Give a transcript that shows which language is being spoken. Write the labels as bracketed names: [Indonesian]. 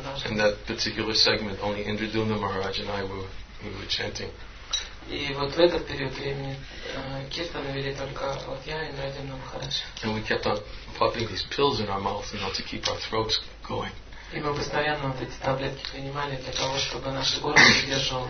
[English] In that particular segment, only Indradumna Maharaj and I were. We were chanting. [Russian] И вот в этот период времени киртаны вели только вот я и Индрадюмна Махарадж. [English] And we kept on popping these pills in our mouths, you know, to keep our throats going. [Russian] И мы постоянно вот эти таблетки принимали для того, чтобы наше горло держало